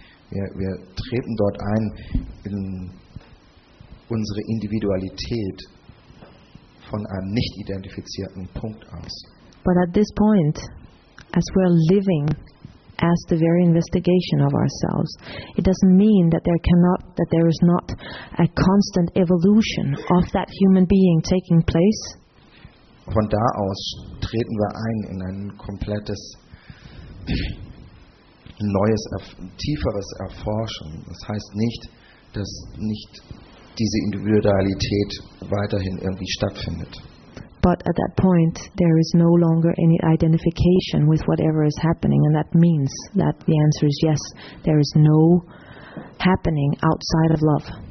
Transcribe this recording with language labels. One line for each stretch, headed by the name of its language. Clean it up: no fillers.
German: Wir treten dort ein in unsere Individualität von einem nicht identifizierten Punkt aus.
English: But at this point, as we are living as the very investigation of ourselves, it doesn't mean that there is not a constant evolution of that human being taking place.
German: Von da aus treten wir ein in ein komplettes neues, tieferes Erforschen. Das heißt nicht, dass nicht diese Individualität weiterhin irgendwie stattfindet.
English: But at that point there is no longer any identification with whatever is happening, and that means that the answer is yes, there is no happening outside of love.